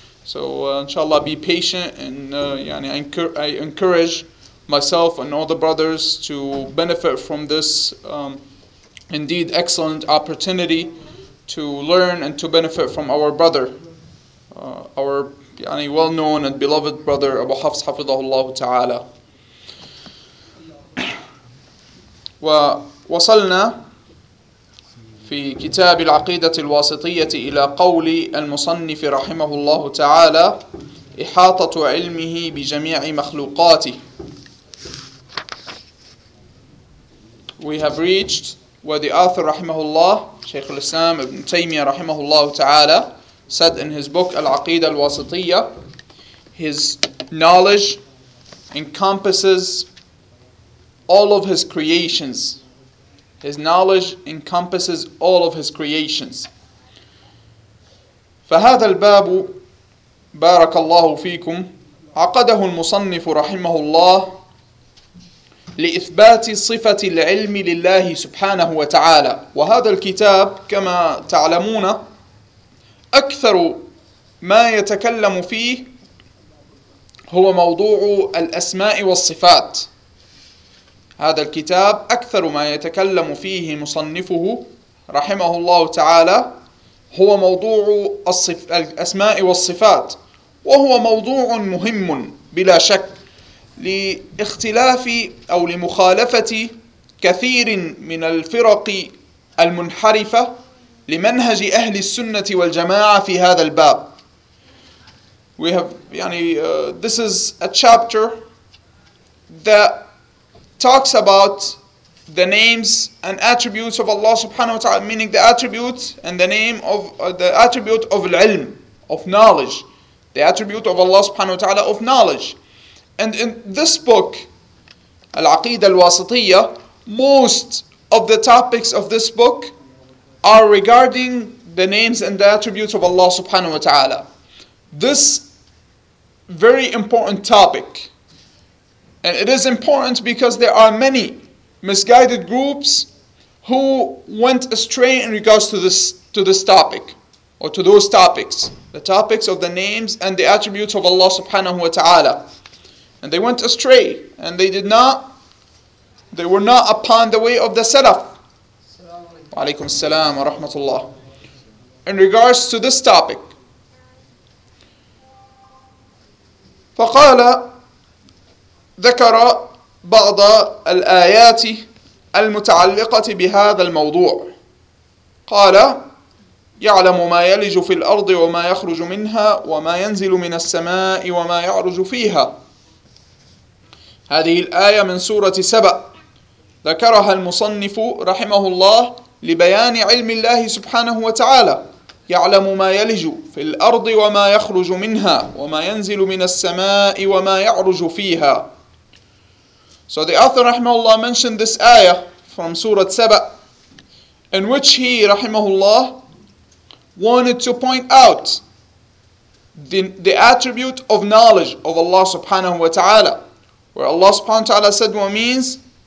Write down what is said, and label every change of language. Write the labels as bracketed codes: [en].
[en] So, inshallah, be patient, and I encourage myself and all the brothers to benefit from this indeed excellent opportunity to learn and to benefit from our brother, our well-known and beloved brother Abu Hafs [ar] حفظه الله تعالى. ووصلنا في كتاب العقيدة الواسطية إلى قول المصنف رحمه الله تعالى: إحاطة علمه بجميع مخلوقاته. [en] We have reached where the author rahimahullah, Shaykh al-Islam ibn Taymiyyah rahimahullah ta'ala, said in his book Al-Aqeeda al-Wasitiyya, his knowledge encompasses all of his creations. His knowledge encompasses all of his creations. [ar] فهذا الباب بارك الله فيكم عقده المصنف رحمه الله لإثبات صفة العلم لله سبحانه وتعالى. وهذا الكتاب كما تعلمون أكثر ما يتكلم فيه هو موضوع الأسماء والصفات. هذا الكتاب أكثر ما يتكلم فيه مصنفه رحمه الله تعالى هو موضوع الأسماء والصفات، وهو موضوع مهم بلا شك لاختلاف أو لمخالفة كثير من الفرق المنحرفة لمنهج أهل السنة والجماعة في هذا الباب. [en] We have, this is a chapter that talks about the names and attributes of Allah subhanahu wa ta'ala, meaning the attributes and the name of the attribute of العلم, of knowledge, the attribute of Allah subhanahu wa ta'ala, of knowledge. And in this book, Al-Aqeeda Al-Wasitiyya, most of the topics of this book are regarding the names and the attributes of Allah subhanahu wa ta'ala. This very important topic. And it is important because there are many misguided groups who went astray in regards to this topic, or to those topics, the topics of the names and the attributes of Allah subhanahu wa ta'ala. And they went astray, and they were not upon the way of the Salaf. [ar] Alaykum as-salam wa rahmatullah. [en] In regards to this topic, [ar] فقال ذكر بعض الآيات المتعلقة بهذا الموضوع. قال يعلم ما يلج في الأرض وما يخرج منها وما ينزل من السماء وما يعرج فيها. هذه الآية من سورة سبأ ذكرها المصنف رحمه الله لبيان علم الله سبحانه وتعالى. يعلم ما يلج في الأرض وما يخرج منها وما ينزل من السماء وما يعرج فيها. [en] So the author rahimahullah mentioned this ayah from Surah Sabah, in which he rahimahullah wanted to point out the attribute of knowledge of Allah subhanahu wa ta'ala, where Allah subhanahu wa ta'ala said what means